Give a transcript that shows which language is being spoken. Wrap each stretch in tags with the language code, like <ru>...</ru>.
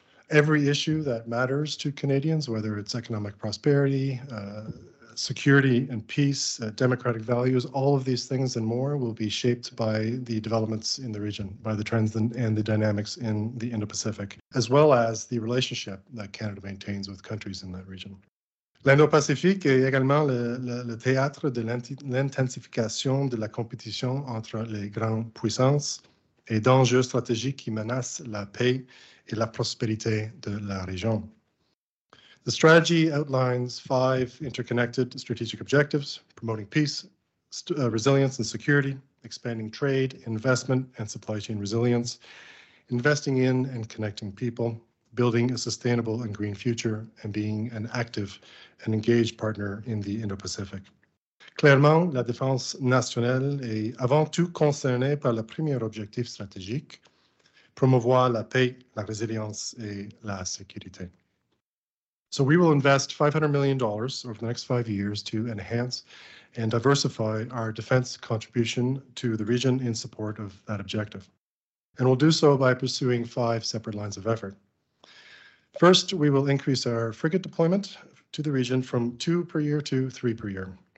<en>Every issue that matters to Canadians, whether it's economic prosperity, security and peace, democratic values, all of these things and more will be shaped by the developments in the region, by the trends and the dynamics in the Indo-Pacific, as well as the relationship that Canada maintains with countries in that region.</en> <fr>L'Indo-Pacifique est également le théâtre de l'intensification de la compétition entre les grandes puissances et d'enjeux stratégiques qui menacent la paix et la prospérité de la région.</fr> <en>The strategy outlines five interconnected strategic objectives: promoting peace, resilience and security, expanding trade, investment and supply chain resilience, investing in and connecting people, building a sustainable and green future, and being an active and engaged partner in the Indo-Pacific.</en> <fr>Clairement, la défense nationale est avant tout concernée par le premier objectif stratégique, promouvoir la paix, la résilience et la sécurité.</fr> <en>So we will invest $500 million over the next 5 years to enhance and diversify our defense contribution to the region in support of that objective. And we'll do so by pursuing five separate lines of effort. First, we will increase our frigate deployment to the region from 2 per year to 3 per year.</en>